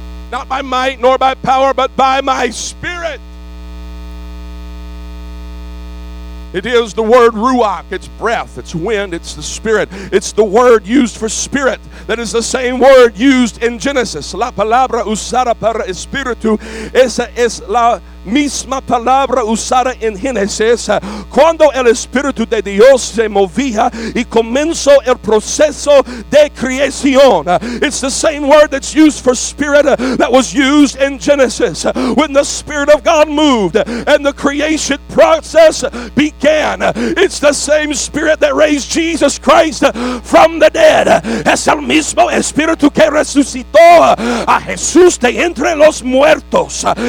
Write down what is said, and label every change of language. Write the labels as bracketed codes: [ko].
[en] Not by might nor by power, but by my Spirit. It is the word ruach. It's breath, it's wind, it's the Spirit. It's the word used for spirit that is the same word used in Genesis. [es] La palabra usada para espíritu, esa es la misma palabra usada en Génesis. Cuando el Espíritu de Dios se movía y comenzó el proceso de creación. [en] It's the same word that's used for spirit that was used in Genesis. When the Spirit of God moved and the creation process began. It's the same Spirit that raised Jesus Christ from the dead. [es] Es el mismo Espíritu que resucitó a Jesús de entre los muertos.